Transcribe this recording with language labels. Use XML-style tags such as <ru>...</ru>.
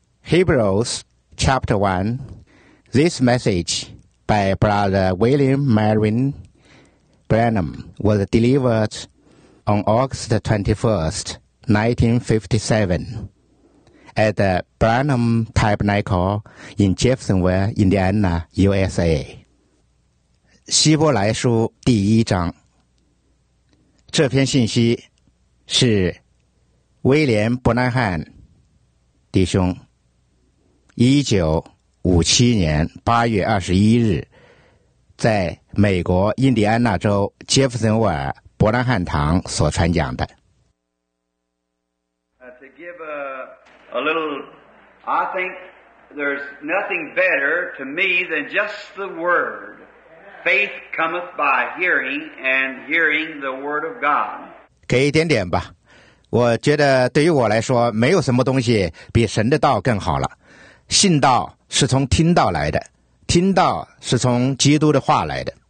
<en>Hebrews chapter 1, this message by Brother William Marion Branham was delivered on August 21st, 1957, at the Branham Tabernacle in Jeffersonville, Indiana, USA.</en> <zh>希伯来书第一章，这篇信息是威廉·伯南汉弟兄1957年8月21日在美国印第安纳州杰弗森维尔伯南汉堂所传讲的。</zh> <en>To give a little, I think there's nothing better to me than just the word. Faith cometh by hearing, and hearing the word of God.</en> <zh>给一点点吧。我觉得对于我来说，没有什么东西比神的道更好了。信道是从听道来的，听道是从基督的话来的。</zh>